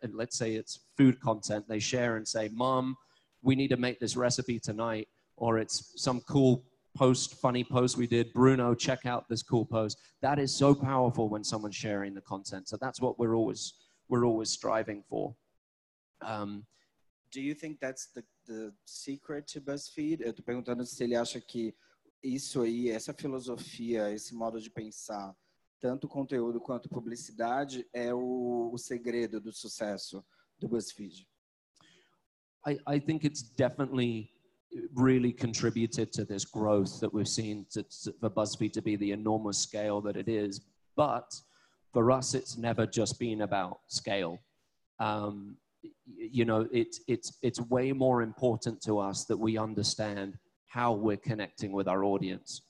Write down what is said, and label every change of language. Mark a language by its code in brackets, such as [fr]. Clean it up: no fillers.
[en] And let's say it's food content, they share and say, "Mom, we need to make this recipe tonight," or it's some cool post, funny post we did, "Bruno, check out this cool post." That is so powerful when someone's sharing the content. So that's what we're always striving for. Do you think that's the secret to BuzzFeed? [pt] Eu tô perguntando se ele acha que isso aí, essa filosofia, esse modo de pensar, tanto conteúdo quanto publicidade, é o segredo do sucesso do BuzzFeed. [en] I think it's definitely really contributed to this growth that we've seen for BuzzFeed to be the enormous scale that it is. But for us, it's never just been about scale. You know, it's way more important to us that we understand how we're connecting with our audience.